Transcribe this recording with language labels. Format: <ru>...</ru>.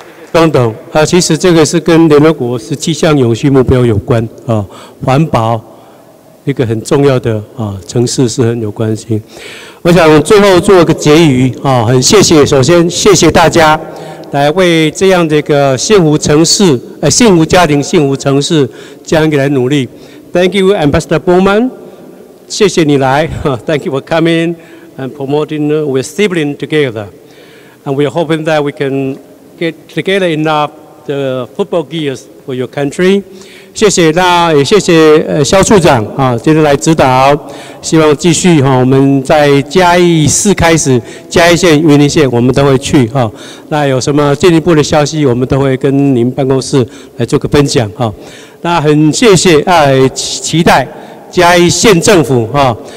<zh>庄董，其实这个是跟联合国17项永续目标有关啊，环保一个很重要的啊，城市是很有关系。我想最后做个结语啊，很谢谢，首先谢谢大家来为这样的一个幸福城市、幸福家庭、幸福城市这样一个来努力。</zh> <en>Thank you, Ambassador Bowman.</en> <zh>谢谢你来</zh> <en>Thank you for coming and promoting with siblings together. And we are hoping that we can get together enough the football gears for your country.</en> <zh>谢谢，那也谢谢萧处长啊，今天来指导。希望继续哈，我们在嘉义市开始，嘉义县、云林县我们都会去哈。那有什么进一步的消息，我们都会跟您办公室来做个分享哈。那很谢谢啊，期待嘉义县政府哈、哦。</zh>